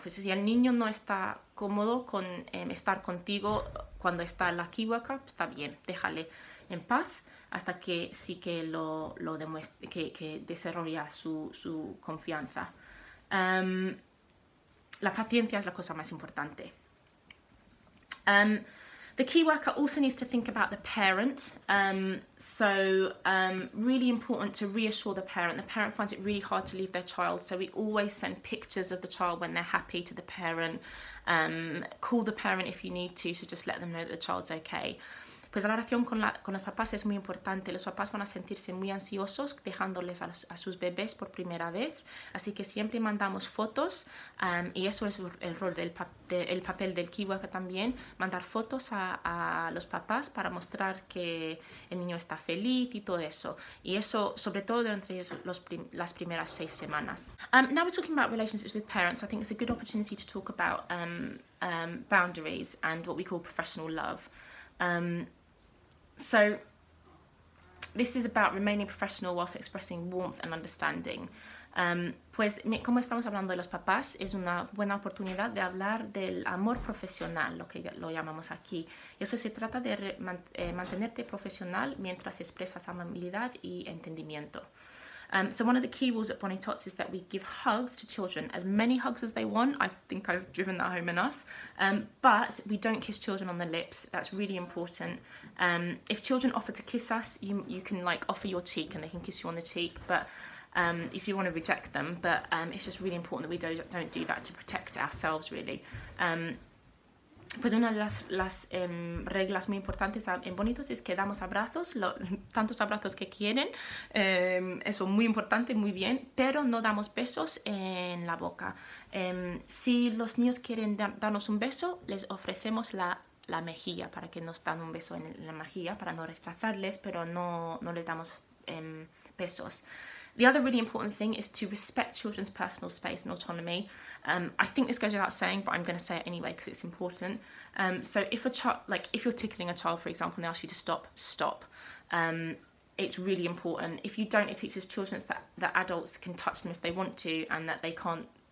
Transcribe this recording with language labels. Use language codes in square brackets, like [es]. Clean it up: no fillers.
[es] Pues si el niño no está cómodo con estar contigo cuando está la key worker, está bien, déjale en paz hasta que sí que lo demuestre, que desarrolle su confianza. La paciencia es la cosa más importante. [en] The key worker also needs to think about the parent. Really important to reassure the parent. The parent finds it really hard to leave their child, so we always send pictures of the child when they're happy to the parent. Call the parent if you need to just let them know that the child's okay. [es] Pues la relación con los papás es muy importante. Los papás van a sentirse muy ansiosos dejándoles a sus bebés por primera vez. Así que siempre mandamos fotos, y eso es el rol el papel del key worker también, mandar fotos a los papás para mostrar que el niño está feliz y todo eso. Y eso sobre todo durante las primeras 6 semanas. [en] Now we're talking about relationships with parents. I think it's a good opportunity to talk about boundaries and what we call professional love. So this is about remaining professional whilst expressing warmth and understanding. [es] Pues como estamos hablando de los papás, es una buena oportunidad de hablar del amor profesional, lo que lo llamamos aquí. Eso se trata de mantenerte profesional mientras expresas amabilidad y entendimiento. [en] So one of the key rules at Bonnie Tots is that we give hugs to children, as many hugs as they want. I think I've driven that home enough. But we don't kiss children on the lips. That's really important. If children offer to kiss us, you can like offer your cheek and they can kiss you on the cheek, but if you want to reject them. But it's just really important that we don't do that to protect ourselves, really. [es] Pues una de las reglas muy importantes en Bonitos es que damos abrazos, tantos abrazos que quieren, eso muy importante, muy bien, pero no damos besos en la boca. Si los niños quieren darnos un beso, les ofrecemos la mejilla para que nos den un beso en la mejilla, para no rechazarles, pero no les damos besos. [en] The other really important thing is to respect children's personal space and autonomy. I think this goes without saying, but I'm going to say it anyway because it's important. So if a child, like if you're tickling a child, for example, and they ask you to stop, stop. It's really important. If you don't, it teaches children that adults can touch them if they want to and that they can't